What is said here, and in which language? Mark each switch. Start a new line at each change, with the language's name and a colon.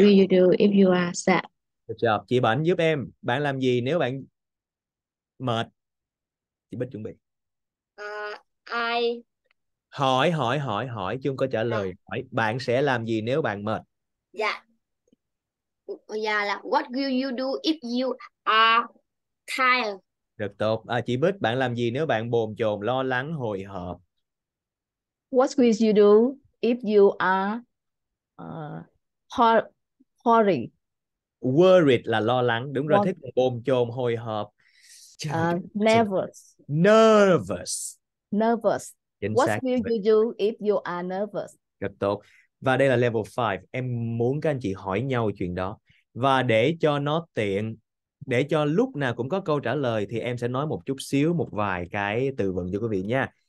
English: Will you do if you are sad?
Vietnamese: Chờ. Chị Bảnh giúp em. Bạn làm gì nếu bạn mệt? Chị Bích chuẩn bị.
English: I
Vietnamese: hỏi chung có trả lời. Yeah. Hỏi bạn sẽ làm gì nếu bạn mệt? Dạ. Yeah.
English: Yeah, là what will you do if you are tired?
Vietnamese: Được tốt. À, chị Bích, bạn làm gì nếu bạn bồn chồn, lo lắng, hồi hộp?
English: What will you do if you are worried?
Vietnamese: Worried là lo lắng, đúng rồi. Thích bồn chồn, hồi hộp.
English: Nervous. Nervous. Nervous.
Vietnamese: Chính
English: what
Vietnamese: xác.
English: Will you do if you are nervous?
Vietnamese: Được tốt. Và đây là level 5. Em muốn các anh chị hỏi nhau chuyện đó. Và để cho nó tiện, để cho lúc nào cũng có câu trả lời thì em sẽ nói một chút xíu một vài cái từ vựng cho quý vị nha.